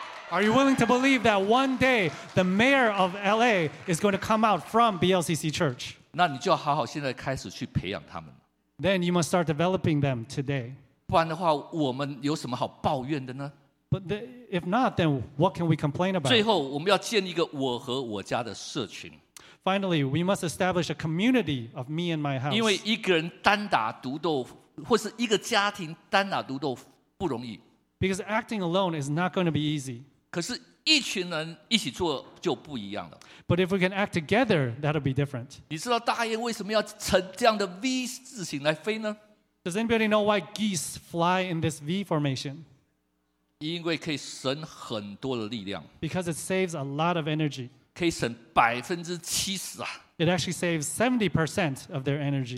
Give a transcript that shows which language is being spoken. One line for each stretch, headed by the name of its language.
English: Are you willing to believe that one day the mayor of LA is going to come out from BLCC Church?
Chinese: 那你就好好现在开始去培养他们。
English: Then you must start developing them today.
Chinese: 不然的话，我们有什么好抱怨的呢？
English: But if not, then what can we complain about?
Chinese: 最后，我们要建立一个我和我家的社群。
English: Finally, we must establish a community of me and my house.
Chinese: 因为一个人单打独斗，或是一个家庭单打独斗不容易。
English: Because acting alone is not going to be easy.
Chinese: 可是一群人一起做就不一样了。
English: But if we can act together, that'll be different.
Chinese: 你知道大雁为什么要呈这样的 V 字形来飞呢？
English: Does anybody know why geese fly in this V formation?
Chinese: 因为可以省很多的力量。
English: Because it saves a lot of energy.
Chinese: 可以省 70% 啊。
English: It actually saves 70% of their energy.